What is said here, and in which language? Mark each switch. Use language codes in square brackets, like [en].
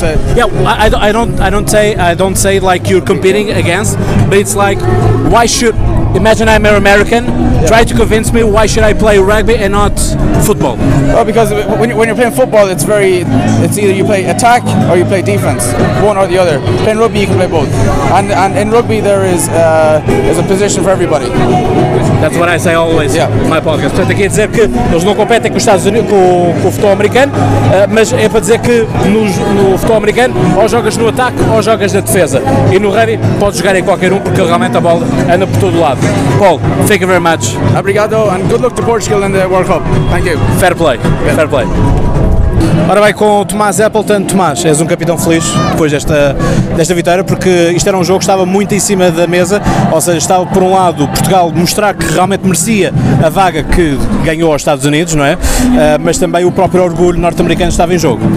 [en] I don't say like you're competing against, but it's like, why should, imagine I'm an American, yeah, try to convince me why should I play rugby and not football? Well, because when you're playing football, it's either you play attack or you play defense, one or the other. Playing rugby, you can play both. And in rugby, there's a position for everybody. That's what I say always, yeah, in my podcast. [pt] Portanto, aqui é dizer que eles não competem com os Estados Unidos, com o futebol americano, mas é para dizer que no futebol americano ou jogas no ataque ou jogas na defesa. E no rugby podes jogar em qualquer um porque realmente a bola anda por todo lado. [en] Paul, thank you very much. [pt] Obrigado [en] and good luck to Portugal in the World Cup. Thank you. Fair play, yeah. Fair play. [pt] Ora bem, com o Tomás Appleton. Tomás, és um capitão feliz depois desta vitória, porque isto era um jogo que estava muito em cima da mesa, ou seja, estava por um lado Portugal mostrar que realmente merecia a vaga que ganhou aos Estados Unidos, não é? Mas também o próprio orgulho norte-americano estava em jogo.